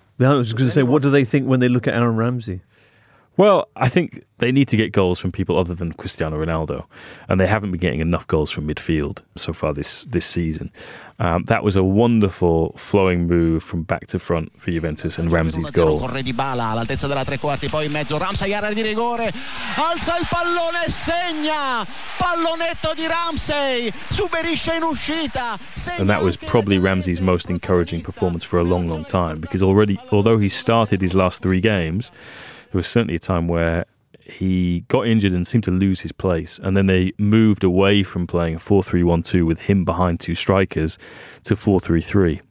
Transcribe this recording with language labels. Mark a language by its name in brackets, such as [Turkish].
[English] I was going to say, what do they think when they look at Aaron Ramsey? Well, I think they need to get goals from people other than Cristiano Ronaldo, and they haven't been getting enough goals from midfield so far this season. That was a wonderful flowing move from back to front for Juventus, and Ramsey's goal. [Italian] Corre Dybala all'altezza della tre quarti, poi in mezzo Ramsey, area di rigore, alza il pallone e segna. Pallonetto di Ramsey, subisce in uscita. [English] And that was probably Ramsey's most encouraging performance for a long, long time, because already, although he started his last three games, there was certainly a time where he got injured and seemed to lose his place. And then they moved away from playing a 4-3-1-2 with him behind two strikers to 4-3-3.